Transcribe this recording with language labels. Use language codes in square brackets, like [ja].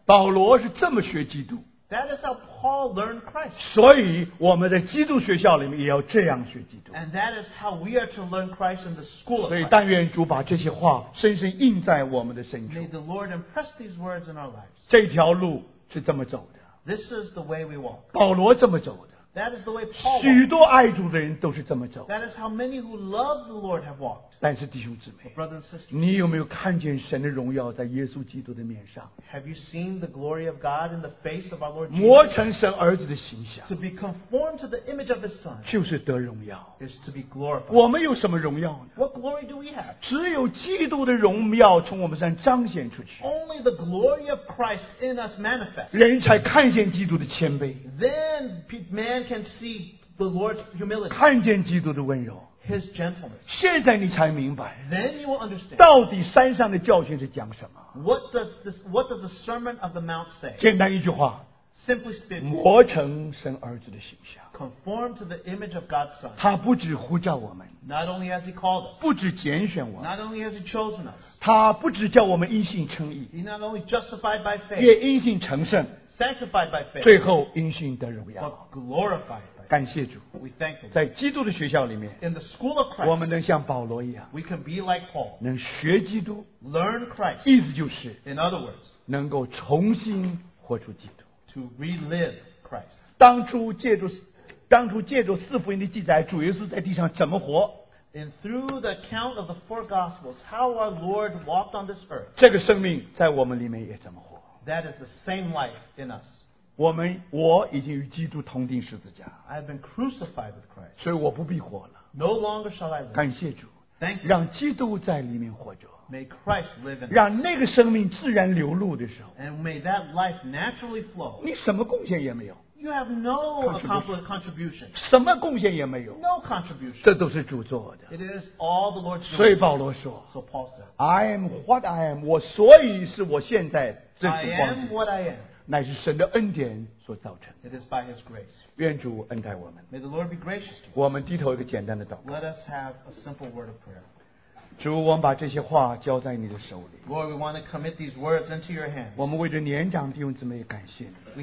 [zh] 保罗是这么学基督, [en] that is how Paul learned Christ. [zh] 所以我们在基督学校里面也要这样学基督, [en] and that is how we are to learn Christ in the school of Christ. [zh] 所以但愿主把这些话深深印在我们的身上, [en] may the Lord impress these words in our lives. [zh] 这条路是这么走的, [en] this is the way we walk. [zh] 保罗这么走的, [en] that is the way Paul walked. [zh] 许多爱主的人都是这么走的, [en] that is how many who love the Lord have walked. [zh] 但是弟兄姊妹, [en] brothers and sisters, [zh] 你有没有看见神的荣耀在耶稣基督的面上? [en] Have you seen the glory of God in the face of our Lord Jesus? [zh] 磨成神儿子的形象, [en] to be conformed to the image of His Son, [zh] 就是得荣耀, [en] is to be glorified. [zh] 我们有什么荣耀呢? [en] What glory do we have? [zh] 只有基督的荣耀从我们身上彰显出去, [en] only the glory of Christ in us manifests. [zh] 人才看见基督的谦卑, [en] then man can see the Lord's humility. [zh] 看见基督的温柔, [en] His gentleness. [zh] 现在你才明白, [en] then you will understand. [zh] 到底山上的教训是讲什么? [en] What does the Sermon of the Mount say? [zh] 简单一句话, [en] simply speaking, [zh] 磨成神儿子的形象, [en] conform to the image of God's Son. [zh] 他不止呼召我们, [en] not only has He called us, [zh] 不止拣选我们, [en] not only has He chosen us, [zh] 他不止叫我们因信称义, [en] He not only justified by faith, [zh] 也因信成圣, [en] sanctified by faith, [zh] 最后因信得荣耀, [en] but glorified. [zh] 感谢主, [en] we thank you. [zh] 在基督的学校里面, [en] in the school of Christ, [zh] 我们能像保罗一样, [en] we can be like Paul, [zh] 能学基督, [en] learn Christ, [zh] 意思就是, [en] in other words, [zh] 能够重新活出基督, [en] to relive Christ. [zh] 当初借助四福音的记载, 主耶稣在地上怎么活, [en] and through the account of the four gospels, how our Lord walked on this earth, [zh] 这个生命在我们里面也怎么活, [en] that is the same life in us. [zh] 我已经与基督同钉十字架, [en] I have been crucified with Christ, [zh] 所以我不必活了, [en] no longer shall I live. [zh] 感谢主, [en] thank you. [zh] 让基督在里面活着, [en] may Christ live in us. [zh] 让那个生命自然流露的时候, [en] and may that life naturally flow. [zh] 你什么贡献也没有, [en] you have no contribution. [zh] 什么贡献也没有, [en] no contribution. [zh] 这都是主做的, [en] it is all the Lord's doing. [zh] 所以保罗说, [en] so Paul said, I am what I am. [zh] 我所以是我现在这个光景, [en] I am what I am. [zh] 乃是神的恩典所造成, [en] it is by His grace. [zh] 愿主恩待我们, [en] may the Lord be gracious to us. [zh] 我们低头一个简单的祷告, [en] let us have a simple word of prayer. [zh] 主，我们把这些话交在你的手里, [en] Lord, we want to commit these words into your hands. [zh] 我们为着年长弟兄姊妹感谢你,